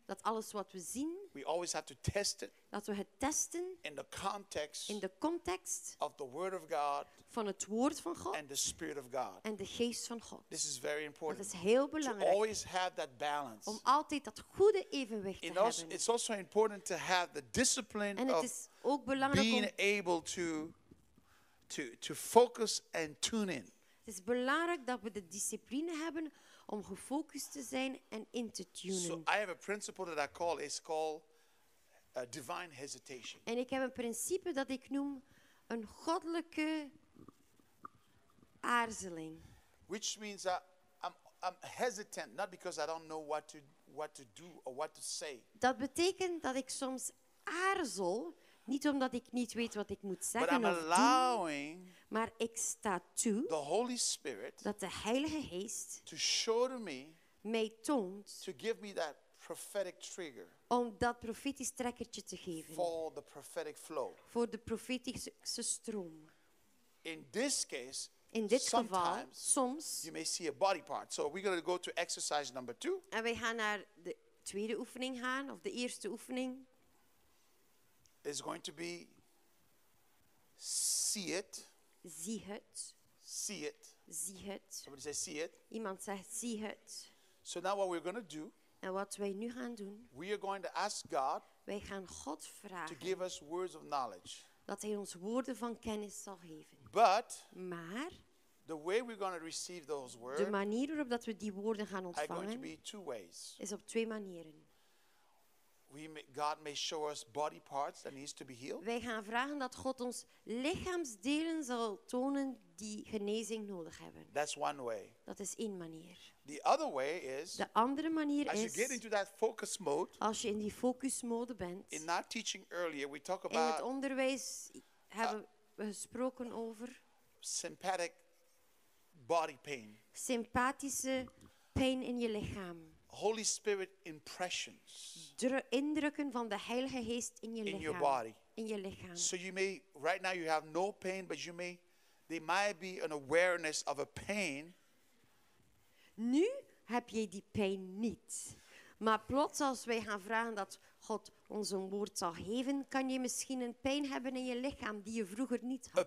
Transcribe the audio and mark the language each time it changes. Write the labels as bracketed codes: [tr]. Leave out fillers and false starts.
[nl] Dat alles wat we zien, [en] we always have to test it. [nl] Dat we het testen [en] in the context, [nl] in de context [en] of the word of God, [nl] van het woord van God, [en] and the spirit of God, [nl] en de geest van God. [en] This is very important. [nl] Dat is heel belangrijk. [en] To always have that balance. [nl] Om altijd dat goede evenwicht [en] and [nl] te [en] also, [nl] hebben. [en] It's also important to have the discipline of being able to focus and tune in. [nl] Het is belangrijk dat we de discipline hebben om gefocust te zijn en in te tunen. [en] So I have a principle that I call is called divine hesitation. [nl] En ik heb een principe dat ik noem een goddelijke aarzeling. [en] Which means that I'm hesitant, not because I don't know what to do or what to say. [nl] Dat betekent dat ik soms aarzel, niet omdat ik niet weet wat ik moet zeggen [en] but I'm [nl] of [en] allowing [nl] doen. Maar ik sta toe [en] the Holy Spirit [nl] dat de Heilige Geest [en] to show to me [nl] mij toont [en] to give me that prophetic trigger [nl] om dat profetisch trekkertje te geven [en] for the prophetic flow. [nl] Voor de profetische stroom. [en] In this case, [nl] in dit geval, soms [en] you may see a body part. So we're going to go to exercise number two. [nl] En wij gaan naar de tweede oefening gaan, of de eerste oefening. [en] Is going to be see it. [nl] Zie het. [en] See it. [nl] Zie het. [en] Somebody says see it. [nl] Iemand zegt zie het. [en] So now what we're going to do. [nl] En wat wij nu gaan doen. [en] We are going to ask God. [nl] Wij gaan God vragen. [en] To give us words of knowledge. [nl] Dat hij ons woorden van kennis zal geven. [en] But. [nl] Maar. [en] The way we're going to receive those words. [nl] De manier waarop dat we die woorden gaan ontvangen. [en] Are going to be two ways. [nl] Is op twee manieren. [en] God may show us body parts that needs to be healed. [nl] Wij gaan vragen dat God ons lichaamsdelen zal tonen die genezing nodig hebben. [en] That's one way. [nl] Dat is één manier. [en] The other way is. [nl] De andere manier [en] as [nl] is. [en] As you get into that focus mode. [nl] Als je in die focusmode bent. [en] In our teaching earlier, we talk about. [nl] In het onderwijs hebben we gesproken over. [en] Sympathetic body pain. [nl] Sympathische pijn in je lichaam. [en] Holy Spirit impressions. [nl] Indrukken van de Heilige Geest in je lichaam. [en] In your body. [nl] In je lichaam. [en] So you may right now you have no pain, but you may there might be an awareness of a pain. [nl] Nu heb je die pijn niet, maar plots als wij gaan vragen dat God ons een woord zal geven, kan je misschien een pijn hebben in je lichaam die je vroeger niet had.